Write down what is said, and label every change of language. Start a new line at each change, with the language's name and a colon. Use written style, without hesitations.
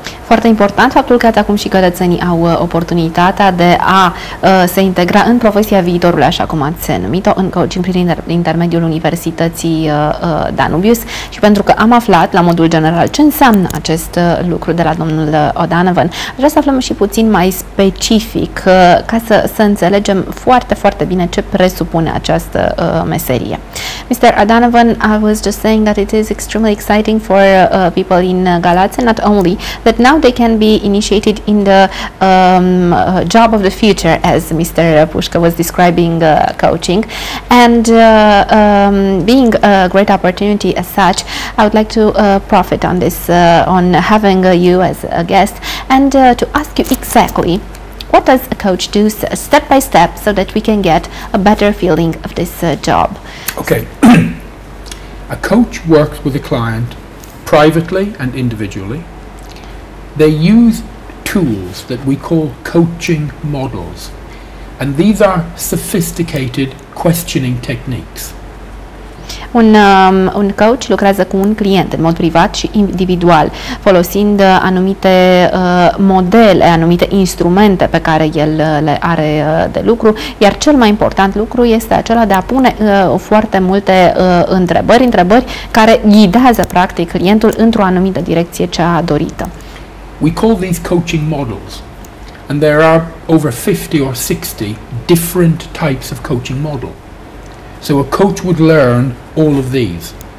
Romanian: Foarte important faptul că ați acum și cetățenii au oportunitatea de a se integra în profesia viitorului, așa cum ați numit-o, în coaching prin intermediul Universității Danubius. Și pentru că am aflat, la modul general, ce înseamnă acest lucru de la domnul O'Donovan, aș vrea să aflăm și puțin mai specific, ca să înțelegem foarte, foarte bine ce presupune această meserie.
English: Mr. O'Donovan, I was just saying that it is extremely exciting for people in Galati, not only that now they can be initiated in the job of the future, as Mr. Pushka was describing coaching, and being a great opportunity as such, I would like to profit on this, on having you as a guest, and to ask you exactly, what does a coach do step by step so that we can get a better feeling of this job? Okay. A coach works with a client privately and individually. They use tools that we call coaching models, and these are sophisticated questioning techniques.
Romanian: Un coach lucrează cu un client în mod privat și individual, folosind anumite modele, anumite instrumente pe care el le are de lucru, iar cel mai important lucru este acela de a pune foarte multe întrebări care ghidează practic clientul într-o anumită direcție cea dorită.
English: We call these coaching models, and there are over 50 or 60 different types of coaching model. So a coach would learn all of these.